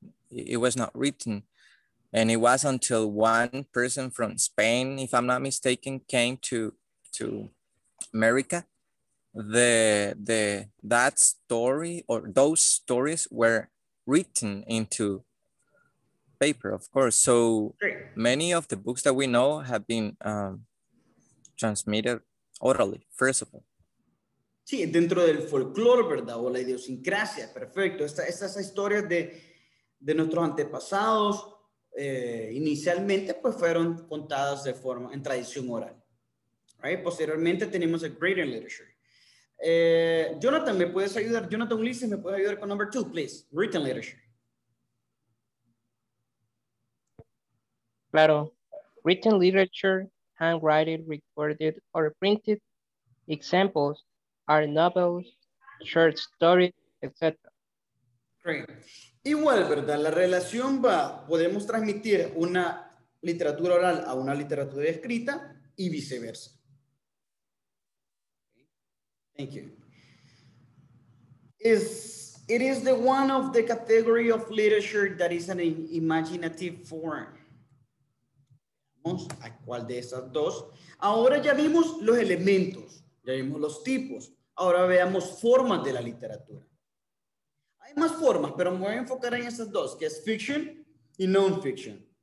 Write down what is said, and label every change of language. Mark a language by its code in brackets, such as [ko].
[en] It was not written. And it was until one person from Spain, if I'm not mistaken, came to America, that story or those stories were written into paper, of course. So many of the books that we know have been transmitted orally, first of all. [es] Sí, dentro del folclore, ¿verdad? O la idiosincrasia, perfecto. Estas historias de nuestros antepasados, inicialmente, pues fueron contadas de forma, en tradición oral. [en] Right? [es] Posteriormente tenemos el greater literature. Jonathan, ¿me puedes ayudar? Jonathan Ulises, ¿me puedes ayudar con [en] number two, please? Written literature. Claro. Written literature, handwritten, recorded, or printed examples are novels, short stories, etc. Great. [es] Igual, ¿verdad? La relación va, podemos transmitir una literatura oral a una literatura escrita y viceversa. [en] Thank you. It is the one of the category of literature that is an imaginative form. [es] Vamos a cuál de esas dos. Ahora ya vimos los elementos, ya vimos los tipos. Ahora veamos formas de la literatura. Hay más formas, pero me voy a enfocar en esas dos, que es fiction y non-fiction.